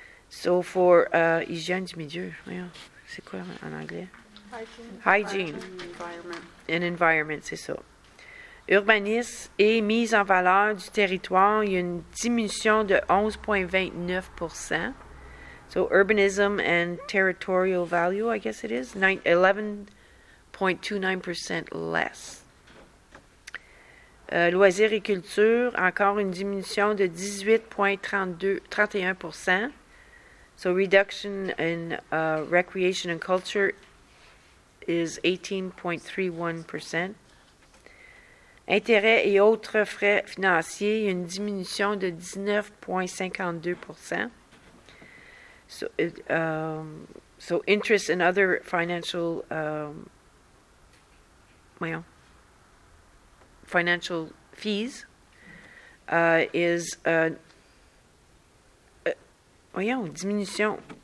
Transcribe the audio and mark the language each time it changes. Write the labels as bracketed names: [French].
[English] So for [French] hygiène du milieu, c'est quoi en anglais? [English] Hygiene. And environment, [French] c'est ça. Urbanisme et mise en valeur du territoire, il y a une diminution de 11,29%. [English] So, urbanism and territorial value, I guess it is, 11,29% less. [French] Loisirs et culture, encore une diminution de 18,31%. [English] So, reduction in recreation and culture is 18,31%. [French] Intérêts et autres frais financiers, il y a une diminution de 19,52%. [English] So, interest and other financial, financial fees is, diminution.